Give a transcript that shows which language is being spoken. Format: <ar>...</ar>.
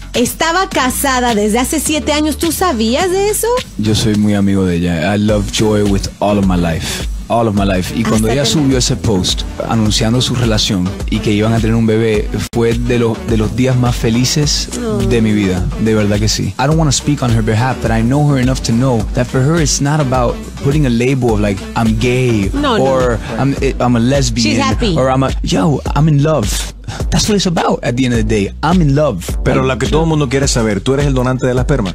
<es>Estaba casada desde hace 7 años. ¿Tú sabías de eso? Yo soy muy amigo de ella.</es> <en>I love Joy with all of my life. all of my life.</en> <es>Y cuando ella subió ese post anunciando su relación y que iban a tener un bebé, fue de los días más felices de mi vida. De verdad que sí.</es> <en>I don't want to speak on her behalf, but I know her enough to know that for her it's not about putting a label of like I'm gay I'm a lesbian. She's happy. Or I'm in love. That's what it's about at the end of the day. I'm in love.</en> <es>Pero lo que todo el mundo quiere saber, ¿tú eres el donante de la esperma?</es>